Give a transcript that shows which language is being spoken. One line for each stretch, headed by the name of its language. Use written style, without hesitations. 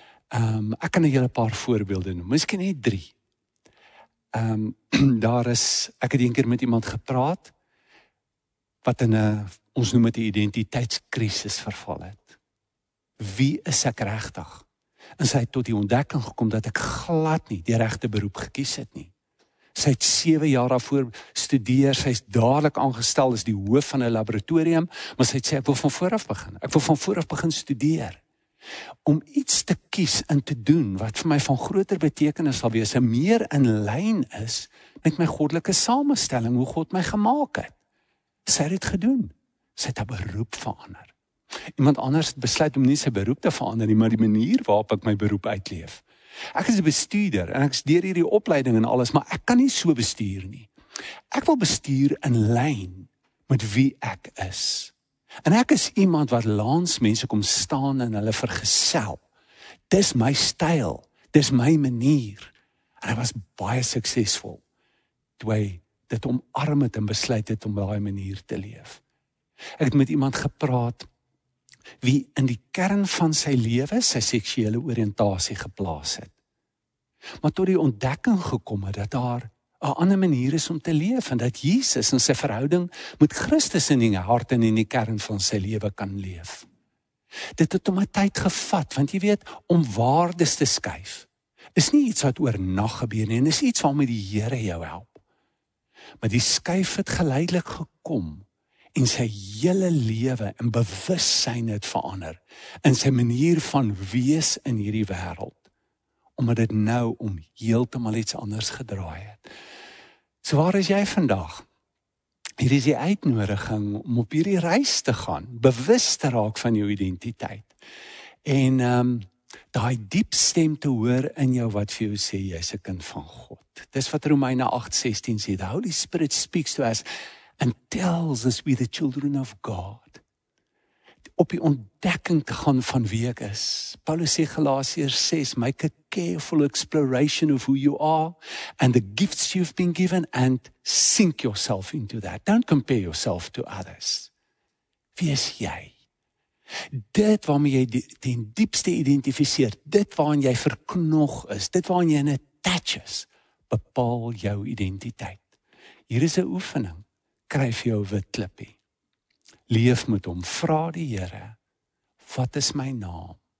Afrikaans: Ek kan julle 'n paar voorbeelde noem, miskien net 3. Ek het eendag met iemand gepraat wat in 'n ons noem dit 'n identiteitskrisis verval het. Wie is ek regtig? En sy het tot die ontdekking gekom dat ek glad nie die regte beroep gekies het nie. Sy het 7 jaar daarvoor studeer, sy is dadelik aangestel as die hoof van 'n laboratorium, maar sy het sê ek wil van voor af begin. Ek wil van voor af begin studeer. Om iets te kies en te doen wat vir my van groter betekenis sal wees, en meer in lyn is met my goddelike samestelling, hoe God my gemaak het. Sy het dit gedoen. Sy het haar beroep verander. Iemand anders het besluit om nie sy beroep te verander nie, maar die manier waarop ek my beroep uitleef. Ek is 'n bestuurder en ek is deur hierdie opleiding en alles, maar ek kan nie so bestuur nie. Ek wil bestuur in lyn met wie ek is. En ek is iemand wat langs mense kom staan en hulle vergesel. Dis my styl. Dis my manier. En hy was baie suksesvol. Toe hy dit omarm het en besluit het om daai manier te leef. Ek het met iemand gepraat wie in die kern van sy lewe sy seksuele oriëntasie geplaas het. Maar tot die ontdekking gekom het dat daar 'n ander manier is om te leef en dat Jesus in sy verhouding met Christus in die hart en in die kern van sy lewe kan leef. Dit het hom 'n tyd gevat, want jy weet, om waardes te skuif is nie iets wat oornag gebeur nie en is iets waarmee die Here jou help. Maar die skuif het geleidelik gekom en sy hele lewe en bewussyn het verander in sy manier van wees in hierdie wêreld. Omdat dit nou om heeltemal iets anders gedraai het. So waar is jy vandag? Hier is die uitnodiging om op hierdie reis te gaan, bewus te raak van jou identiteit. En daai diep stem te hoor in jou wat vir jou sê, jy's 'n kind van God. Dis wat Romeine 8:16 sê,
English: the Holy Spirit speaks to us and tells us we the children of God.
Afrikaans: Op die ontdekking te gaan van wie ek is. Paulus sê Galasiërs 6,
English: make a careful exploration of who you are and the gifts you've been given and sink yourself into that. Don't compare yourself to others.
Afrikaans: Wie is jy? Dit waarmee jy ten diepste identifiseer, dit waarin jy verknog is, dit waarin jy attach is, bepaal jou identiteit. Hier is 'n oefening. Kry vir jou 'n wit klippie. Leef met hom, vra die Here, wat is my naam?